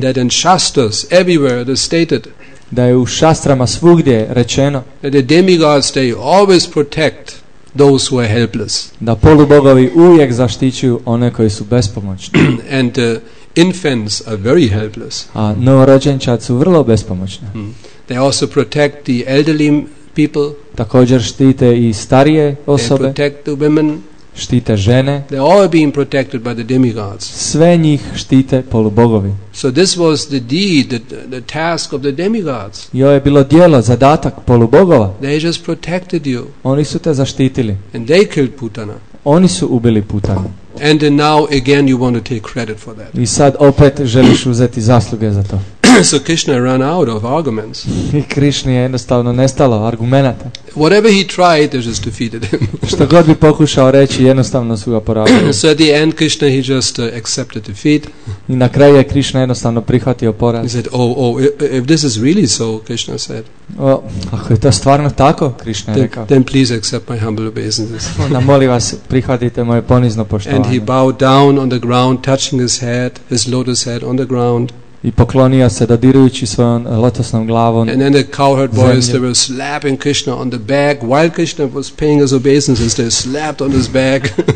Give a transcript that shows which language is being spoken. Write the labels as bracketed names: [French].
[English] That in shastras everywhere it is stated. [Croatian] Da je u šastrama svugdje rečeno. [English] That the demigods they always protect those who are helpless. [Croatian] Da polubogovi uvijek zaštićuju one koji su bespomoćni. [English] And infants are very helpless. [Croatian] A novorođenčad su vrlo bespomoćni. [English] They also protect the elderly people. [Croatian] Također štite i starije osobe. [English] They protect the women. [Croatian] Štite žene. [English] They all are being protected by the demigods. [Croatian] Sve njih štite polubogovi. [English] So this was the deed, the task of the demigods. [Croatian] Jo je bilo djelo, zadatak polubogova. [English] They just protected you. [Croatian] Oni su te zaštitili. [English] And they killed Putana. [Croatian] Oni su ubili Putana. [English] And now again you want to take credit for that. [Croatian] I sad opet želiš uzeti zasluge za to. [English] So Krishna ran out of arguments. [Croatian] I Krishna je jednostavno nestalo argumenata. [English] Whatever he tried, they just defeated him. [Croatian] Što god bi pokušao reći, jednostavno su ga poražili. [English] So at the end, Krishna he just accepted defeat. [Croatian] I na kraju je Krishna jednostavno prihvatio poraz. [English] He said, if this is really so, Krishna said. [Croatian] Ako je to stvarno tako, Krishna je rekao. [English] Then please accept my humble obeisances. [Croatian] Onda molim vas, prihvatite moje ponizno poštovanje. [English] And he bowed down on the ground, touching his head, his lotus head on the ground. [Croatian] I poklonio se dodirujući svojom lotosnom glavom. [English] And then the cowherd boys they were slapping Krishna on the back while Krishna was paying his obeisances. They slapped on his back.